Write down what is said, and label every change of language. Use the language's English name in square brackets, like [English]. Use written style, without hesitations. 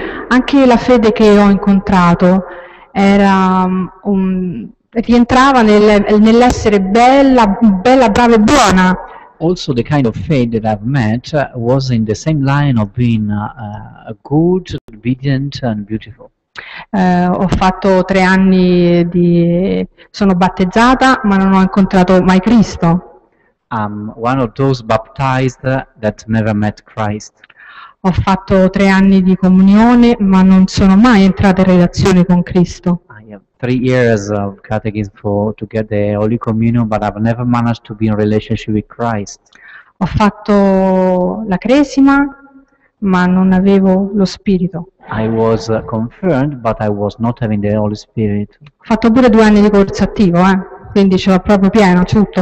[Italian] Anche la fede che ho incontrato era rientrava nell'essere bella, brava e buona. [English] Also, the kind of faith that I've met was in the same line of being good, obedient, and beautiful. [Italian] Ho fatto 3 anni di sono battezzata, ma non ho incontrato mai Cristo. [English] I'm one of those baptized that never met Christ. [Italian] Ho fatto 3 anni di comunione, ma non sono mai entrata in relazione con Cristo. [English] I have 3 years of catechism to get the Holy Communion, but I've never managed to be in relationship with Christ. [Italian] Ho fatto la cresima, ma non avevo lo Spirito. [English] I was confirmed, but I was not having the Holy Spirit. [Italian] Ho fatto pure 2 anni di corso attivo, quindi ce l'ho proprio pieno, tutto.